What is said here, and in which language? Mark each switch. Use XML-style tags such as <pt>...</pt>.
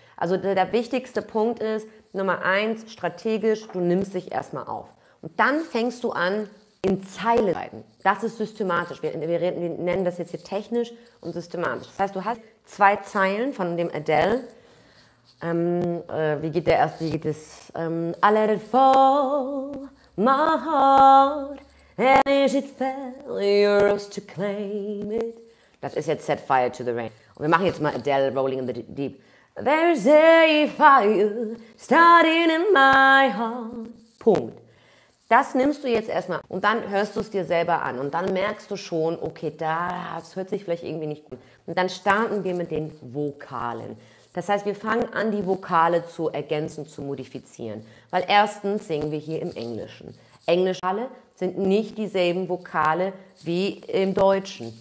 <de>Also der wichtigste Punkt ist, Nummer eins, strategisch, du nimmst dich erstmal auf. Und dann fängst du an, in Zeilen schreiben. Das ist systematisch. Wir nennen das jetzt hier technisch und systematisch. Das heißt, du hast zwei Zeilen von dem Adele. Wie geht der erste? Wie geht das?</de> <en>I let it fall, my heart, and is it fell, yours to claim it.</en> <de>Das ist jetzt set fire to the rain. Und wir machen jetzt mal Adele rolling in the deep.</de> <en>There's a fire starting in my heart.</en> <de>Punkt. Das nimmst du jetzt erstmal und dann hörst du es dir selber an und dann merkst du schon, okay, das hört sich vielleicht irgendwie nicht gut an. Und dann starten wir mit den Vokalen. Das heißt, wir fangen an, die Vokale zu ergänzen, zu modifizieren. Weil erstens singen wir hier im Englischen. Englische Vokale sind nicht dieselben Vokale wie im Deutschen.</de>